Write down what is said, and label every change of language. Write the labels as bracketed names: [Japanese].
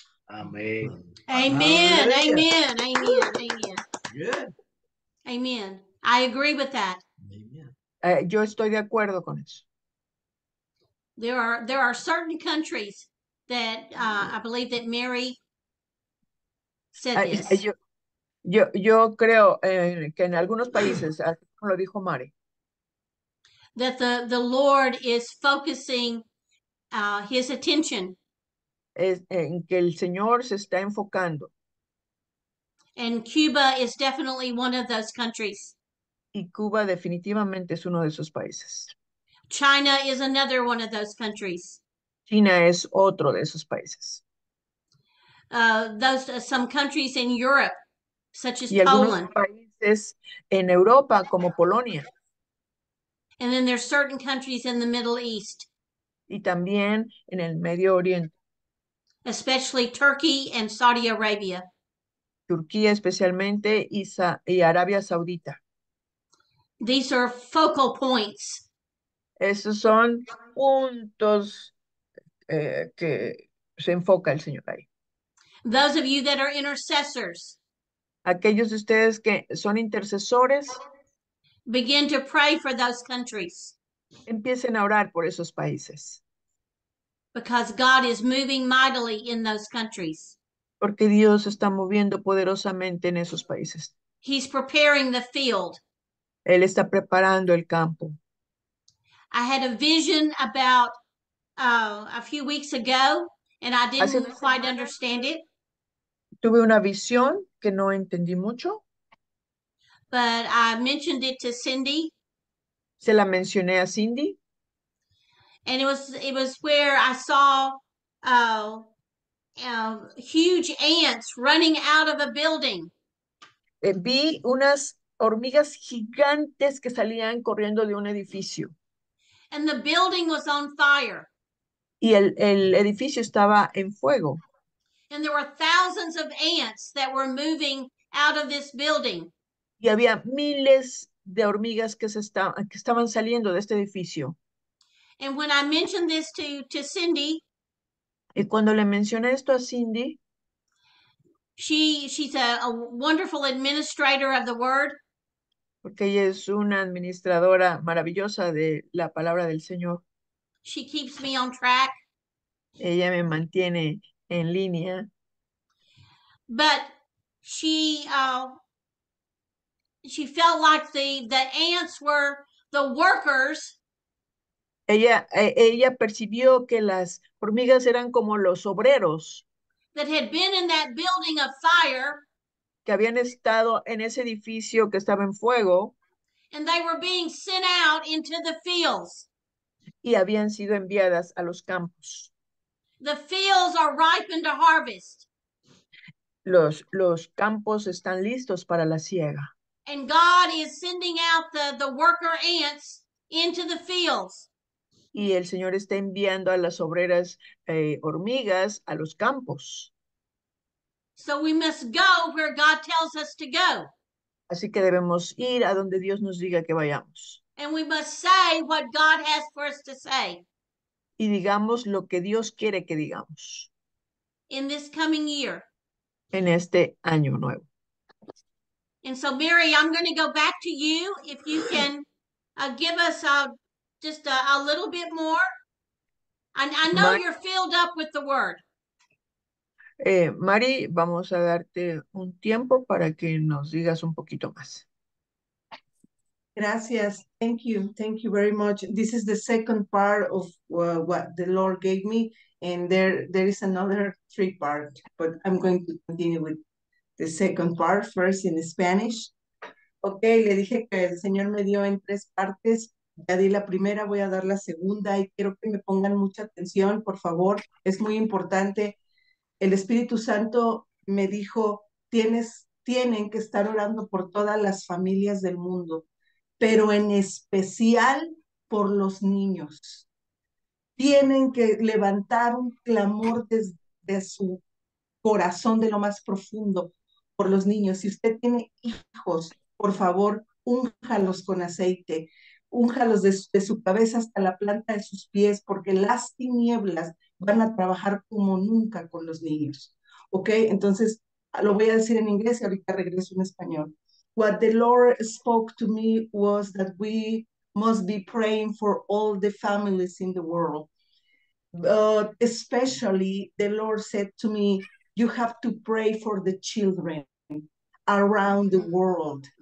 [English] Amen. I agree with that. [Spanish] Amen. Yo estoy de acuerdo con eso. [English] There are certain countries that I believe that Mary said this. [Spanish] Yo creo que en algunos países, así como lo dijo Mary, [English] that the Lord is focusing his attention. [Spanish] Es en que el Señor se está enfocando. [English] And Cuba is definitely one of those countries. [Spanish] Y Cuba definitivamente es uno de esos países. [English] China is another one of those countries. [Spanish] China es otro de esos países. [English] Some countries in Europe, such as [Spanish] y algunos [English] Poland. [Spanish] Países en Europa, como Polonia. [English] And then there's certain countries in the Middle East. [Spanish] Y también en el Medio Oriente. [English] Especially Turkey and Saudi Arabia. [Spanish] Turquía especialmente y Arabia Saudita. [English] These are focal points. [Spanish] Esos son puntos que se enfoca el Señor ahí. [English] Those of you that are intercessors. [Spanish] Aquellos de ustedes que son intercesores. [English] Begin to pray for those countries. [Spanish] Empiecen a orar por esos países. [English] Because God is moving mightily in those countries. [Spanish] Porque Dios está moviendo poderosamente en esos países. [English] He's preparing the field. [Spanish] Él está preparando el campo. [English] I had a vision about a few weeks ago, and I didn't quite understand it. [Spanish] Tuve una visión que no entendí mucho. [English] But I mentioned it to Cindy. [Spanish] Se la mencioné a Cindy. [English] And it was where I saw huge ants running out of a building. [Spanish] Vi unas hormigas gigantes que salían corriendo de un edificio. [English] And the building was on fire. [Spanish] Y el edificio estaba en fuego. [English] And there were thousands of ants that were moving out of this building. [Spanish] Y había miles de hormigas que estaban saliendo de este edificio. [English] And when I mentioned this to Cindy, [Spanish] y cuando le mencioné esto a Cindy, [English] she's a wonderful administrator of the word. [Spanish] Porque ella es una administradora maravillosa de la palabra del Señor. [English] She keeps me on track. [Spanish] Ella me mantiene en línea. [English] But she felt like the ants were the workers. [Spanish] Ella percibió que las hormigas eran como los obreros. [English] That had been in that building of fire. [Spanish] Que habían estado en ese edificio que estaba en fuego. [English] And they were being sent out into the fields. [Spanish] Y habían sido enviadas a los campos. [English] The fields are ripe to harvest. [Spanish] Los campos están listos para la siega. [English] And God is sending out the worker ants into the fields. [Spanish] Y el Señor está enviando a las obreras hormigas a los campos. [English] So we must go where God tells us to go. [Spanish] Así que debemos ir a donde Dios nos diga que vayamos. [English] And we must say what God has for us to say. [Spanish] Y digamos lo que Dios quiere que digamos. [English] In this coming year. [Spanish] En este año nuevo. [English] And so Mary, I'm going to go back to you. If you can give us a little bit more. I know you're filled up with the word. [Spanish] Mari, vamos a darte un tiempo para que nos digas un poquito más. [English] Gracias. Thank you. Thank you very much. This is the second part of what the Lord gave me. And there is another three part, but I'm going to continue with the second part first in Spanish. [Spanish] Okay, le dije que el Señor me dio en tres partes. Ya di la primera, voy a dar la segunda y quiero que me pongan mucha atención, por favor. Es muy importante. El Espíritu Santo me dijo, tienen que estar orando por todas las familias del mundo, pero en especial por los niños. Tienen que levantar un clamor desde su corazón, de lo más profundo, por los niños. Si usted tiene hijos, por favor, únjalos con aceite. Únjalos de su cabeza hasta la planta de sus pies, porque las tinieblas van a trabajar como nunca con los niños. ¿Ok? Entonces, lo voy a decir en inglés y ahorita regreso en español. [English] What the Lord spoke to me was that we must be praying for all the families in the world. Especially, the Lord said to me, you have to pray for the children around the world.